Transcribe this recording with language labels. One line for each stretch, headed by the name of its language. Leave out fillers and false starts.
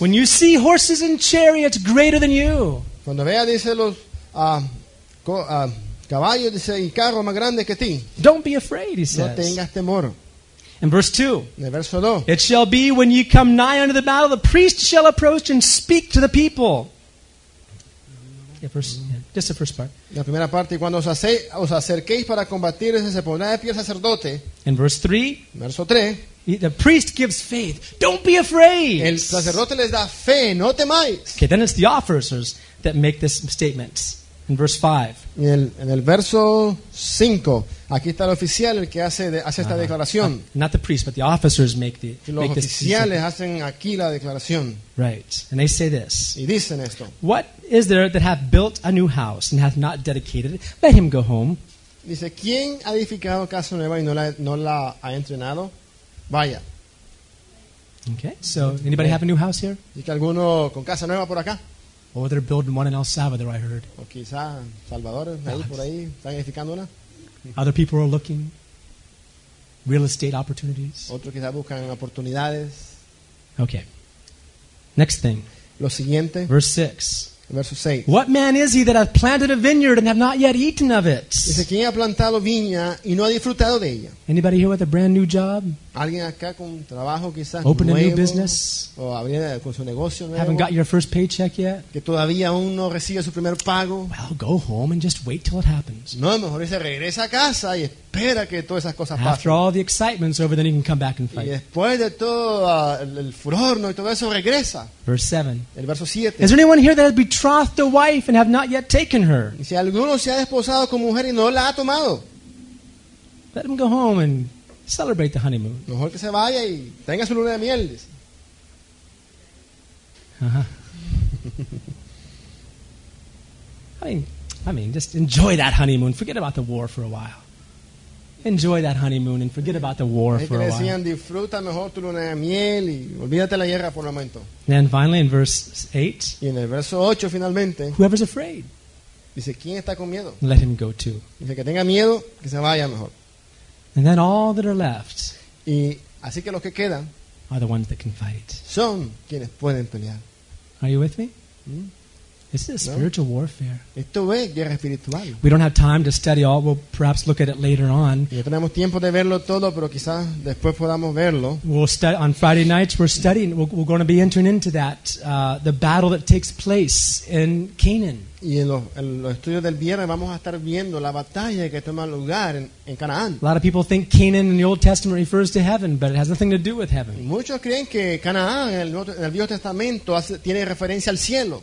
English: When you see horses and chariots greater than you.
Spanish: Cuando vea dice los caballo dice y carro más grande que ti.
English: Don't be afraid, he
Spanish: no
English: says.
Spanish: No tengas temor.
English: In verse 2.
Spanish: En el verso 2.
English: It shall be when you come nigh unto the battle, the priest shall approach and speak to the people. Just the first part.
Spanish: La primera parte, cuando os acerquéis para combatir, se pondrá de pie el sacerdote.
English: In verse 3.
Spanish: Verso 3.
English: The priest gives faith. Don't be afraid.
Spanish: El sacerdote les da fe, no temáis.
English: Okay, then it's the officers that make this statement. In verse 5.
Spanish: En el verso 5. Aquí está el oficial el que hace esta declaración.
English: Not the priest, but the officers make the
Spanish: los
English: make
Spanish: oficiales
English: this,
Spanish: hacen aquí la declaración.
English: Right. And they say this.
Spanish: Y dicen esto.
English: What is there that hath built a new house and hath not dedicated it? Let him go home.
Spanish: Dice, ¿quién ha edificado casa nueva y no la ha entrenado? Vaya.
English: Okay. So, anybody have a new house here?
Spanish: ¿Dice alguno con casa nueva por acá?
English: Or they're building one in El Salvador, I heard.
Spanish: O quizá Salvador, ahí por ahí, están edificando una.
English: Other people are looking. Real estate opportunities.
Spanish: Otros quizá buscan oportunidades.
English: Okay. Next thing.
Spanish: Lo siguiente.
English: Verse 6.
Spanish: Verso 6.
English: What man is he that hath planted a vineyard and have not yet eaten of it?
Spanish: Dice, ¿quién ha plantado viña y no ha disfrutado de ella?
English: Anybody here with a brand new job?
Spanish: ¿Alguien acá con trabajo quizás
English: open
Spanish: nuevo,
English: a new business?
Spanish: O abrir con su negocio nuevo,
English: haven't got your first paycheck yet?
Spanish: Que todavía aún no recibe su primer pago.
English: Well, go home and just wait till it happens.
Spanish: No, mejor dice, regresa a casa y espera que todas esas cosas pasen.
English: After all the excitement's over, then you can come back and fight.
Spanish: Y después de todo el furor, ¿no? Y todo eso, regresa.
English: Verse 7.
Spanish: El verso 7.
English: Is there anyone here that has betrothed a wife and have not yet taken her?
Spanish: Si alguno se ha desposado con mujer y no la ha tomado.
English: Let him go home and celebrate the honeymoon.
Spanish: Mejor que se vaya y tenga su luna de miel. Uh-huh.
English: I mean, just enjoy that honeymoon. Forget about the war for a while. Enjoy that honeymoon and forget about the war for a while.
Spanish: Decían, disfruta mejor tu luna de miel y olvídate la guerra por el momento.
English: And finally, in verse 8.
Spanish: Y en el verso 8, finalmente.
English: Whoever's afraid.
Spanish: Dice, ¿quién está con miedo?
English: Let him go too.
Spanish: Dice, que tenga miedo, que se vaya mejor.
English: And then all that are left.
Spanish: Y así que los que quedan
English: are the ones that can fight.
Spanish: Son quienes pueden pelear.
English: Are you with me? This is spiritual warfare.
Spanish: Esto es guerra espiritual.
English: We don't have time to study all. We'll perhaps look at it later on.
Spanish: Y tenemos tiempo de verlo todo, pero quizás después podamos verlo.
English: On Friday nights, we're studying. We're going to be entering into that the battle that takes place in Canaan.
Spanish: Y en los estudios del viernes vamos a estar viendo la batalla que toma lugar en Canaán.
English: A lot of people think Canaan in the Old Testament refers to heaven, but it has nothing to do with heaven.
Spanish: Muchos creen que Canaán en el Viejo Testamento tiene referencia al cielo.